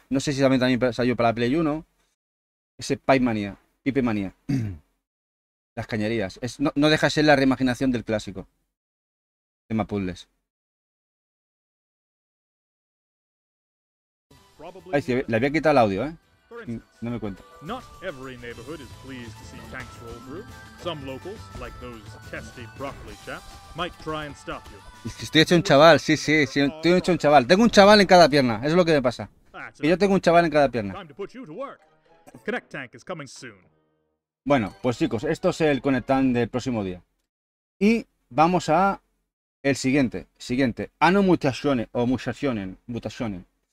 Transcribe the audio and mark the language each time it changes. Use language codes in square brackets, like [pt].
[es] No sé si también salió para Play 1. Ese Pipe Manía, Pipe Manía. Las cañerías. No deja ser la reimaginación del clásico. Tema puzzles. Ay, sí, le había quitado el audio, No me cuenta. [en] Not every neighborhood is pleased to see tanks roll through. Some locals, like those testy broccoli chaps, might try and stop you. [es] Estoy hecho un chaval, sí. Estoy hecho un chaval. Tengo un chaval en cada pierna. Eso es lo que me pasa. Que yo tengo un chaval en cada pierna. [en] Time to put you to work. Connect Tank is coming soon. [es] Bueno, pues chicos, esto es el Connect Tank del próximo día. Y vamos a el siguiente. Ano Mutationen o Mutationen.